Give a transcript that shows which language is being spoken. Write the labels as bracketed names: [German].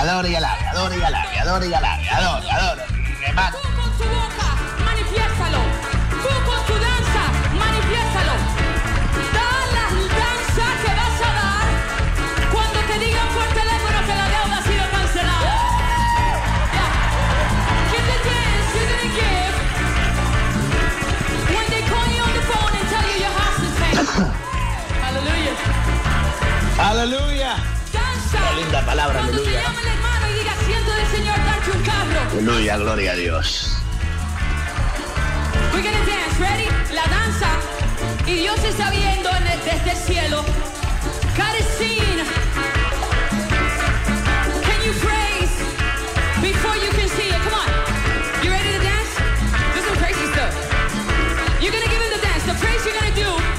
[Spanish] Adoro y alabe, adoro y alabe, adoro y alabe, adoro, adoro. Remate. Tú con tu boca, manifiéstalo. Tú con tu danza, manifiéstalo. Da la danza que vas a dar cuando te digan por teléfono que la deuda ha sido cancelada. [English] Yeah. Give the dance, you're gonna give. When they call you on the phone and tell you your house is paid. [Spanish] Aleluya. Aleluya. Linda palabra, cuando aleluya. Te llame el hermano y diga, siento del Señor darte un carro. Aleluya, gloria a Dios. [English] We're gonna dance, ready? [Spanish] La danza. Y Dios está viendo en el, desde el cielo. [English] God is seeing. Can you praise before you can see it? Come on. You ready to dance? Do some crazy stuff. You're gonna give him the dance. The praise you're gonna do.